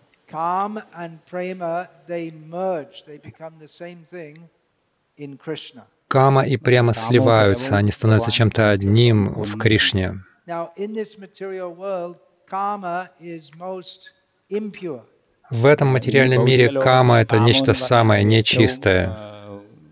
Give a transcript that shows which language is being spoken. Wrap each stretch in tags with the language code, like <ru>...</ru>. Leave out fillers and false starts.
<en>Karma and prema, they merge, they become the same thing in Krishna.</en> <ru>Карма и према сливаются, они становятся чем-то одним в Кришне.</ru> <en>Now, in this material world, karma is most impure.</en> <ru>В этом материальном мире карма — это нечто самое нечистое.</ru>